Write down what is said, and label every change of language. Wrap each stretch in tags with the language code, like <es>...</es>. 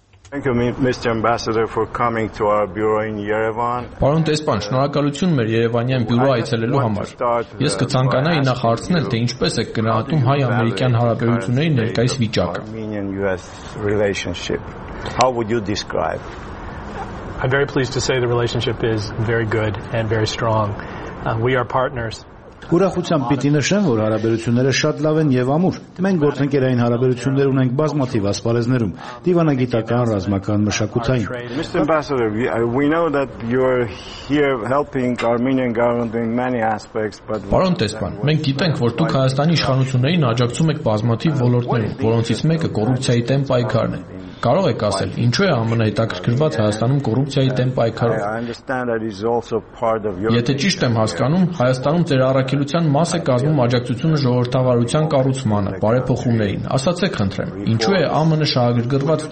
<en>Thank you, Mr. Ambassador, for coming to our bureau in Yerevan.</en> <hy>Պարոն դեսպան, շնորհակալություն մեր Երևանյան բյուրո այցելելու համար։ Ես կցանկանայի նախ հարցնել, թե ինչպես եք գնահատում հայ-ամերիկյան հարաբերությունների ներկայիս վիճակը։</hy> <en>How would you describe? I'm very pleased to say the relationship is very good and very strong. We are partners.</en> <hy>Ուրախությամբ պիտի նշեմ, որ հարաբերությունները շատ լավ են եւ ամուր։ Մենք գործընկերային հարաբերություններ ունենք բազմաթիվ ասպարեզներում՝ դիվանագիտական, ռազմական, մշակութային։</hy> <en>Mr. Ambassador, we know that you're here helping Armenian government in many aspects, but</en> <hy>Պարոն դեսպան, մենք գիտենք, որ դուք Հայաստանի իշխանություններին աջակցում եք բազմաթիվ ոլորտներում, որոնցից մեկը կոռուպցիայի դեմ պայքարն է։ Կարող եք ասել, ինչու է ԱՄՆ հետաքրքրված Հայաստանում կոռուպցիայի դեմ պայքարով։ Եթե ճիշտ եմ հասկանում, Հայաստանում ձեր առաքելության մաս է կազմում աջակցությունը ժողովրդավարության կառուցմանը, բարեփոխումներին։ Ասացեք, խնդրեմ, ինչու է ԱՄՆ շահագրգռված</hy>